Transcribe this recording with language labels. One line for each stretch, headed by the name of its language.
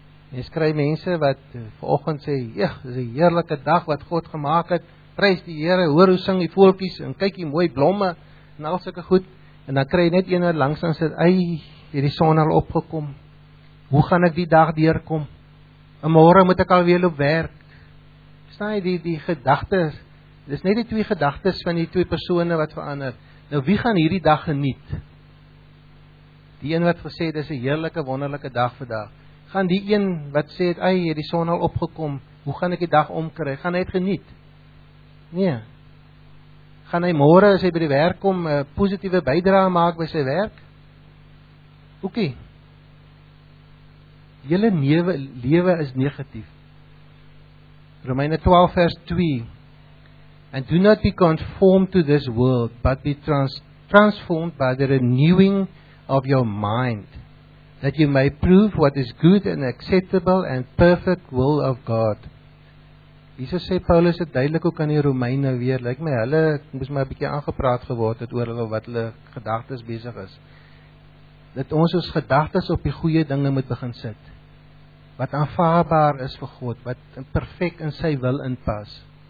Afrikaans: Mens kry mense wat vanoggend sê, "Eeg, dis 'n heerlike dag wat God gemaak het. Prys die Here, hoor hoe sing die voeltjies en kyk die mooi blomme en al sulke goed." En dan kry jy net een wat langsaan sê, "Ai, hierdie son al opgekom. Hoe gaan ek die dag deurkom? En môre moet ek alweer op werk." Staan jy die gedagtes? Dis net die twee gedagtes van die twee persone wat verander. Nou wie gaan hierdie dag geniet? Die een wat gesê dis 'n heerlike wonderlike dag vandag. Gaan die een wat sê het, "Ai, hierdie son al opgekom. Hoe gaan ek die dag omkry? Gaan hy dit geniet?" Nee. Gaan hy môre as hy by die werk kom 'n positiewe bydrae maak by sy werk? Oké. Okay. Julle lewe is negatief. Romeine 12 vers 2.
English: And do not be conformed to this world, but be transformed by the renewing of your mind, that you may prove what is good and acceptable and perfect will of God.
Afrikaans: Jesus sê Paulus het duidelik ook aan die Romeine weer, lyk my hulle moes maar 'n bietjie aangepraat geword het oor hulle wat hulle gedagtes besig is. Dat ons gedagtes op die goeie dinge moet begin sit. Wat aanvaarbaar is vir God, wat perfek in sy wil inpas.